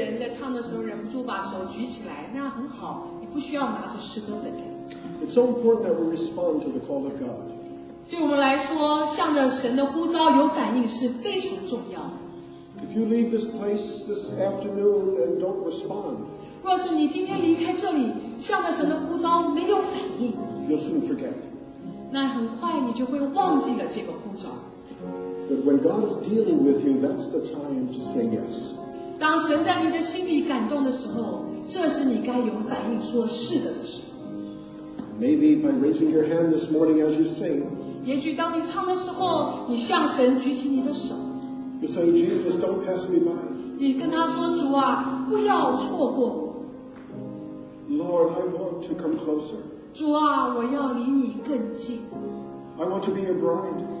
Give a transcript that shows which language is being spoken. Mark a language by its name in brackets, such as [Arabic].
[Chinese] 唱的时候忍不住把手举起来，那很好，你不需要拿着诗歌本。 [English] It's so important that we respond to the call of God. [Chinese] 对我们来说，向着神的呼召有反应是非常重要。 [English] If you leave this place this afternoon and don't respond, [Chinese] 若是你今天离开这里，向着神的呼召没有反应， [English] you'll soon forget. [Chinese] 那很快你就会忘记了这个呼召。 [English] But when God is dealing with you, that's the time to say yes. [Chinese] 当神在你的心里感动的时候，这是你该有反应说是的时候。 [English] Maybe by raising your hand this morning as you sing. [Chinese] 也许当你唱的时候，你向神举起你的手。 [English] You say, Jesus, don't pass me by. [Chinese] 你跟他说，主啊，不要错过。 [English] Lord, I want to come closer. [Chinese] 主啊，我要离你更近。 [English] I want to be your bride.